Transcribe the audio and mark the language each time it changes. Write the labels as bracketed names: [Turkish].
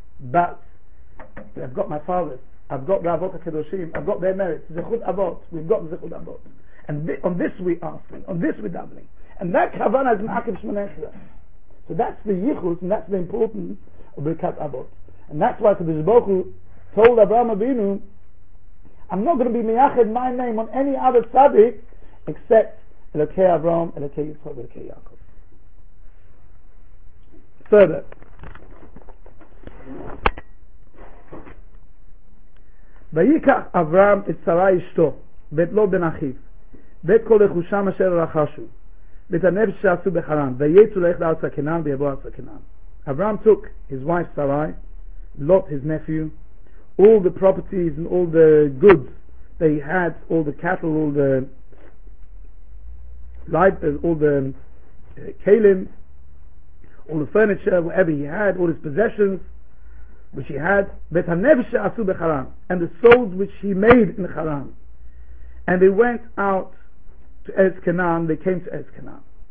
[English] But, I've got my father's. I've got the Avot HaKadoshim, I've got their merits, Zechud Avot, we've got Zechud Avot, and on this we asking, on this we doubling, and that Kavana is Ma'akim Shemoneh Esrei. So that's the Yichus and that's the importance of Birkat Avot, and that's why Kadosh Baruch Hu told Abraham Avinu, I'm not going to be Miyached my name on any other tzaddik except Elokei Avraham, Elokei Yitzchak, Elokei Yaakov. [Hebrew] Further, ויקח אברהם את שרה אשתו ואת לו בן אחיו ואת כל רכושם אשר רכשו ואת הנפש שעשו בחרן ויצאו ללכת לארץ הכנען ויבואו לארץ הכנען. [English] Abraham took his wife Sarai, Lot his nephew, all the properties and all the goods that he had, all the cattle, all the life, all the kalim, all the furniture, whatever he had, all his possessions which he had, [Hebrew] Bet HaNefesh she'asu b'Charan, [English] and the souls which he made in Charan, and they went out to Eretz Canaan. They came to Eretz Canaan.